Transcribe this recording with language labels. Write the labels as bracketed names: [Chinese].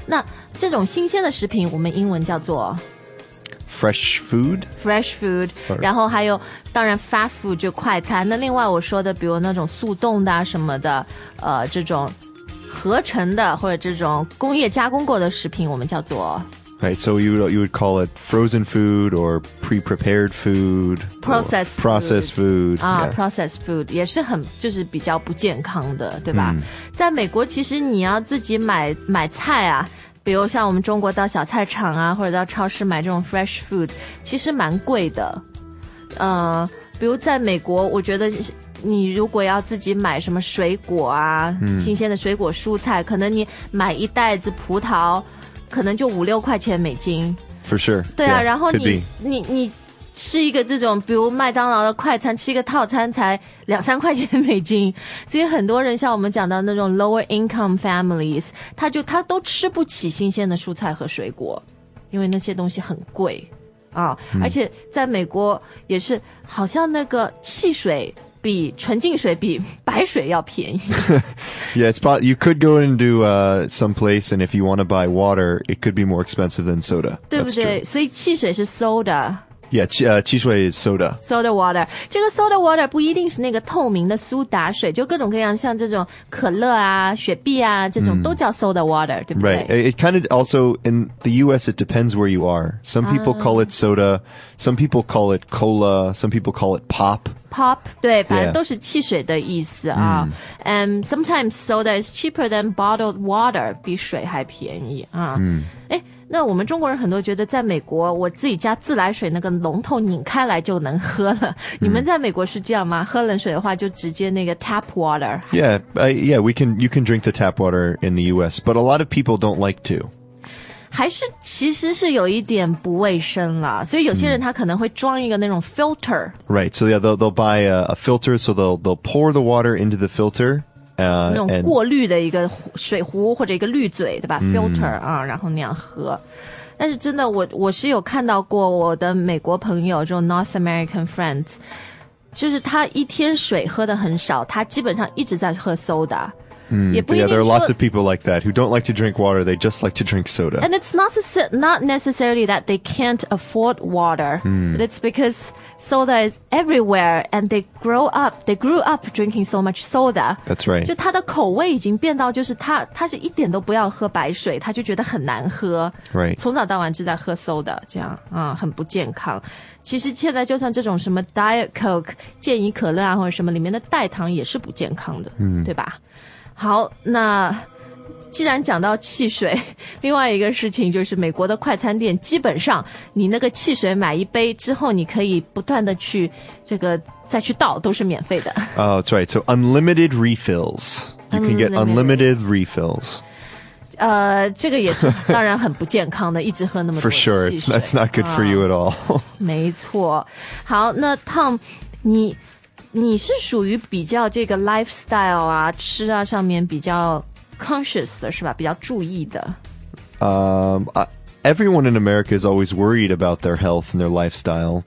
[Chinese] 那这种新鲜的食品我们英文叫做 [English] Fresh food? Fresh food. [Chinese] 然后还有当然 fast food 就快餐。那另外我说的比如那种速冻的啊什么的这种合成的或者这种工业加工过的食品我们叫做 [English] Right, so you would call it frozen food or pre-prepared food. Processed food. 啊、yeah. Processed food. [Chinese] 也是很就是比较不健康的对吧、mm. 在美国其实你要自己买菜啊比如像我们中国到小菜场啊或者到超市买这种 fresh food 其实蛮贵的比如在美国我觉得你如果要自己买什么水果啊、嗯、新鲜的水果蔬菜可能你买一袋子葡萄可能就五六块钱美金 [English] for sure [Chinese] 对啊 yeah, 然后你吃一个这种比如麦当劳的快餐吃一个套餐才两三块钱美金所以很多人像我们讲到那种 [English] lower income families [Chinese] 他都吃不起新鲜的蔬菜和水果因为那些东西很贵啊、嗯，而且在美国也是好像那个汽水比纯净水比白水要便宜 [English] Yeah, it's possible you could go into some place and if you want to buy water it could be more expensive than soda [Chinese] 对不对所以汽水是 soda [English] Yeah, 汽水 is soda. [Chinese] Soda water. 这个 soda water 不一定是那个透明的苏打水就各种各样像这种可乐啊雪碧啊这种、mm. 都叫 soda water, 对不对 [English] Right. It kind of also, in the US, it depends where you are. Some people、 ah. call it soda, some people call it cola, some people call it pop. [Chinese] Pop, 对反正都是汽水的意思啊。 Yeah. [English] And sometimes soda is cheaper than bottled water, [Chinese] 比水还便宜啊。嗯、mm. 那我们中国人很多觉得在美国我自己家自来水那个龙头拧开来就能喝了、mm. 你们在美国是这样吗喝冷水的话就直接那个 tap water [English] yeah, yeah we can, you can drink the tap water in the US but a lot of people don't like to [Chinese] 还是其实是有一点不卫生了所以有些人他可能会装一个那种 filter、mm. [English] right so yeah they'll buy a filter so they'll pour the water into the filter [Chinese] 那种过滤的一个水壶或者一个滤嘴对吧、mm. filter 啊，然后那样喝但是真的我是有看到过我的美国朋友这种 [English] North American friends [Chinese] 就是他一天水喝的很少他基本上一直在喝 soda、 mm. 也不一定 [English] yeah, there are lots of people like that who don't like to drink water they just like to drink soda and it's not necessarily that they can't afford water、 mm. but it's because soda is everywhere and they grew up drinking so much soda. That's right. [Chinese] 就他的口味已经变到就是他是一点都不要喝白水他就觉得很难喝。 [English] Right. [Chinese] 从早到晚就在喝 soda, 这样、嗯、很不健康。其实现在就算这种什么 diet coke, 健怡可乐啊或者什么里面的代糖也是不健康的、嗯、对吧好那既然讲到汽水另外一个事情就是美国的快餐店基本上你那个汽水买一杯之后你可以不断的去这个再去倒都是免费的 [English] Oh, that's right. So unlimited refills. You can get unlimited refills. [Chinese] 这个也是当然很不健康的一直喝那么多汽水 [English] For sure, that's not good for you at all. [Chinese] 没错。好那 Tom, 你是属于比较这个 lifestyle 啊吃啊上面比较 conscious 的是吧比较注意的。 [English] Everyone in America is always worried about their health and their lifestyle,、